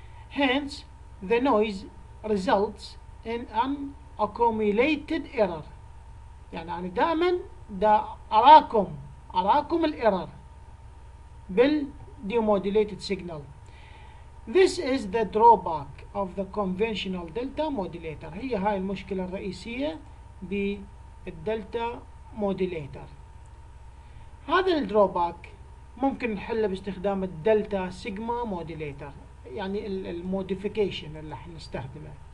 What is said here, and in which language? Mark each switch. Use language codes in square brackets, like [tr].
[en] Hence the noise results in an accumulated error. [ar] يعني أنا دائما دا أراكم الإيرر بالديموديليتد سيجنال. [en] This is the drawback of the conventional delta modulator. [ar] هي هاي المشكلة الرئيسية بالدلتا موديليتر. هذا الدروباك ممكن نحله باستخدام الدلتا سيجما موديليتر، يعني الموديفيكيشن اللي حنستخدمه.